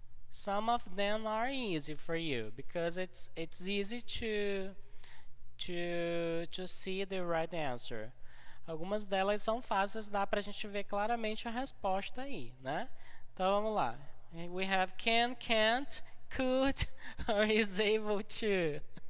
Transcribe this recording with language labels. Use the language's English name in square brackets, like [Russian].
[English] Some of them are easy for you because it's easy to see the right answer. [Portuguese] Algumas delas são fáceis, dá para a gente ver claramente a resposta aí, né? Então vamos lá. [English] We have can, can't, could, or is able to.